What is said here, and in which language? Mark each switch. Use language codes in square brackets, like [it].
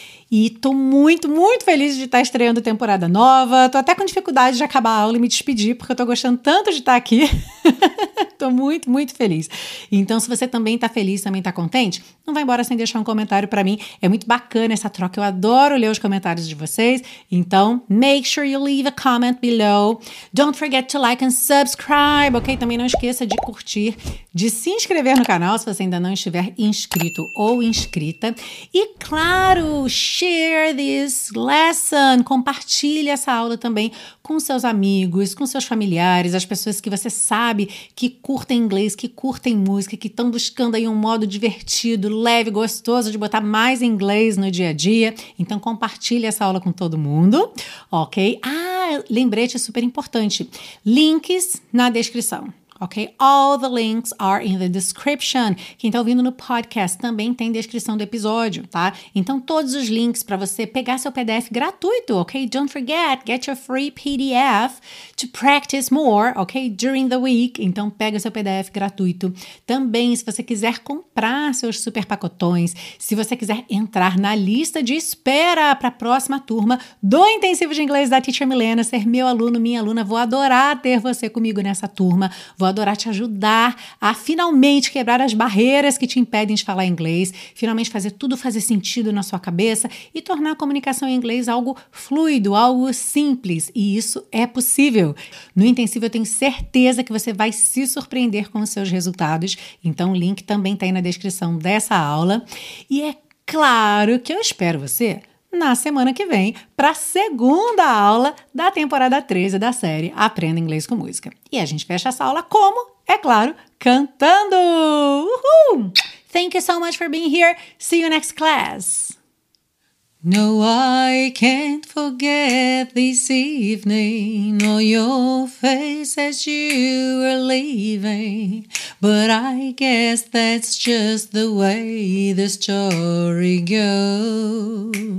[pt] E tô muito, muito feliz de estar estreando temporada nova. Tô até com dificuldade de acabar a aula e me despedir, porque eu tô gostando tanto de estar aqui. Tô muito, muito feliz. Então, se você também tá feliz, também tá contente, não vai embora sem deixar um comentário pra mim. É muito bacana essa troca. Eu adoro ler os comentários de vocês. [en] Então, make sure you leave a comment below. Don't forget to like and subscribe, ok? [pt] Também não esqueça de curtir, de se inscrever no canal, se você ainda não estiver inscrito ou inscrita. E, claro, [en] share this lesson. [pt] Compartilhe essa aula também com seus amigos, com seus familiares, as pessoas que você sabe que curtem inglês, que curtem música, que estão buscando aí um modo divertido, leve, gostoso de botar mais inglês no dia a dia. Então, compartilhe essa aula com todo mundo, ok? Ah, lembrete super importante. Links na descrição. Ok? [en] All the links are in the description. [pt] Quem está ouvindo no podcast também tem descrição do episódio, tá? Então, todos os links para você pegar seu PDF gratuito, ok? [en] Don't forget, get your free PDF to practice more, ok? During the week. [pt] Então, pega seu PDF gratuito. Também, se você quiser comprar seus super pacotões, se você quiser entrar na lista de espera para a próxima turma do Intensivo de Inglês da Teacher Milena, ser meu aluno, minha aluna, vou adorar ter você comigo nessa turma. Vou adorar te ajudar a finalmente quebrar as barreiras que te impedem de falar inglês, finalmente fazer tudo fazer sentido na sua cabeça e tornar a comunicação em inglês algo fluido, algo simples. E isso é possível. No Intensivo eu tenho certeza que você vai se surpreender com os seus resultados. Então o link também está aí na descrição dessa aula. E é claro que eu espero você na semana que vem, para a segunda aula da temporada 13 da série Aprenda Inglês com Música. E a gente fecha essa aula como? É claro, cantando! Uhul! [en] Thank you so much for being here. See you next class. No, I can't forget this evening, nor your face as you were leaving. But I guess that's just the way the story goes.